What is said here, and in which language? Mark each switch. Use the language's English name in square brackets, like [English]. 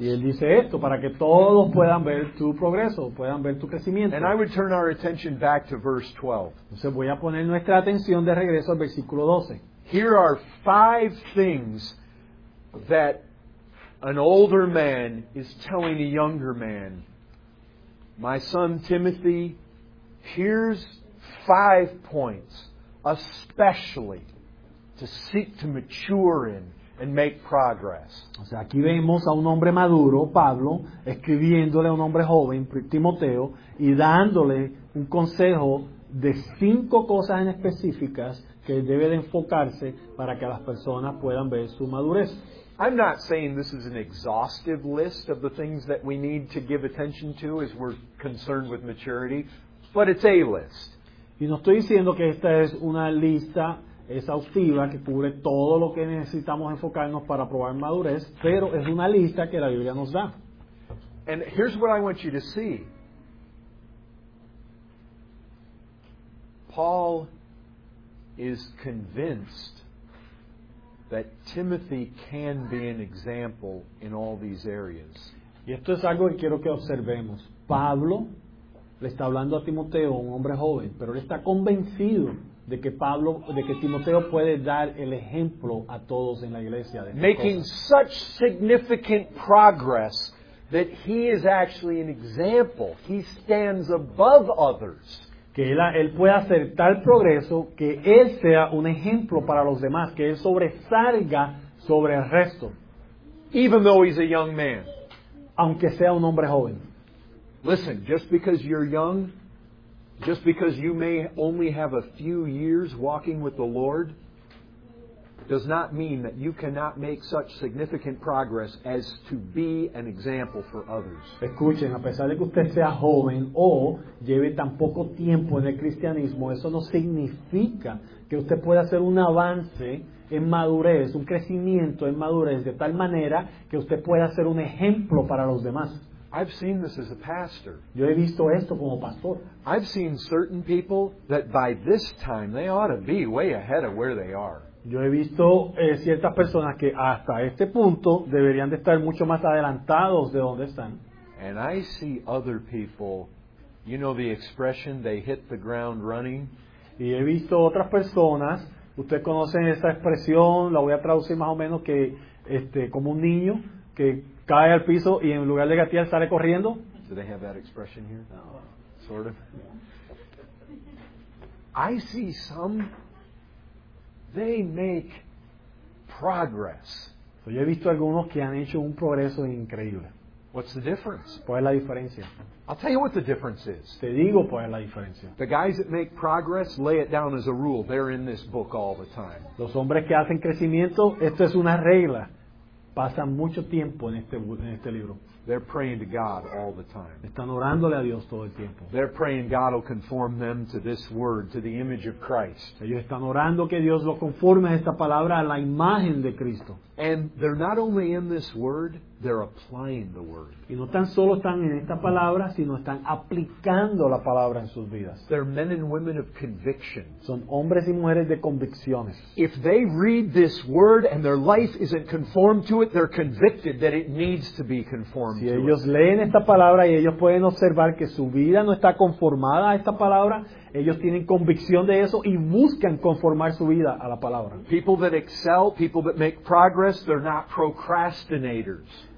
[Spanish] Y él dice esto para que todos puedan ver tu progreso, puedan ver tu crecimiento. [English] And I would turn our attention back to verse 12. [Spanish] Entonces voy a poner nuestra atención de regreso al versículo 12. [English] Here are five things that an older man is telling a younger man, my son Timothy, here's 5 points, especially to seek to mature in and make progress. [Spanish] O sea, aquí vemos a un hombre maduro, Pablo, escribiéndole a un hombre joven, Timoteo, y dándole un consejo de 5 cosas en específicas que debe de enfocarse para que las personas puedan ver su madurez. [English] I'm not saying this is an exhaustive list of the things that we need to give attention to as we're concerned with maturity, but it's a list. [Spanish] Y no estoy diciendo que esta es una lista exhaustiva que cubre todo lo que necesitamos enfocarnos para probar madurez, pero es una lista que la Biblia nos da. [English] And here's what I want you to see. Paul is convinced that Timothy can be an example in all these areas. [Spanish] Y esto es algo que quiero que observemos. Pablo le está hablando a Timoteo, un hombre joven, pero él está convencido de que Timoteo puede dar el ejemplo a todos en la iglesia. [English] Making such significant progress that he is actually an example. He stands above others. [Spanish] Que él pueda hacer tal progreso que él sea un ejemplo para los demás, que él sobresalga sobre el resto. [English] Even though he's a young man. [Spanish] Aunque sea un hombre joven. [English] Listen, just because you're young, just because you may only have a few years walking with the Lord, does not mean that you cannot make such significant progress as to be an example for others. [Spanish] Escuchen, a pesar de que usted sea joven o lleve tan poco tiempo en el cristianismo, eso no significa que usted pueda hacer un avance en madurez, un crecimiento en madurez, de tal manera que usted pueda ser un ejemplo para los demás. [English] I've seen this as a pastor. [Spanish] Yo he visto esto como pastor. [English] I've seen certain people that by this time they ought to be way ahead of where they are. [Spanish] Yo he visto ciertas personas que hasta este punto deberían de estar mucho más adelantados de donde están. [English] And I see other people, you know the expression, they hit the ground running. [Spanish] Y he visto otras personas, ustedes conocen esa expresión, la voy a traducir más o menos que como un niño que cae al piso y en lugar de gatear sale corriendo. [English] Do they have that expression here? No. Sort of. I see some, they make progress. [Spanish] So yo he visto algunos que han hecho un progreso increíble. [English] What's the difference? [Spanish] ¿Cuál es la diferencia? [English] I'll tell you what the difference is. [Spanish] Te digo cuál es la diferencia. [English] The guys that make progress lay it down as a rule. They're in this book all the time. [Spanish] Los hombres que hacen crecimiento, esto es una regla. Pasan mucho tiempo en este libro. [English] They're praying to God all the time. [Spanish] Están orándole a Dios todo el tiempo. [English] They're praying God will conform them to this word, to the image of Christ. [Spanish] Ellos están orando que Dios lo conforme a esta palabra, a la imagen de Cristo. [English] And they're not only in this word, they're applying the word. [Spanish] Y no tan solo están en esta palabra, sino están aplicando la palabra en sus vidas. [English] They're men and women of conviction. [Spanish] Son hombres y mujeres de convicciones. [English] If they read this word and their life isn't conformed to it, they're convicted that it needs to be conformed. [Spanish] Si ellos leen esta palabra y ellos pueden observar que su vida no está conformada a esta palabra, ellos tienen convicción de eso y buscan conformar su vida a la palabra. [English] People that excel, people that make progress, they're not procrastinators.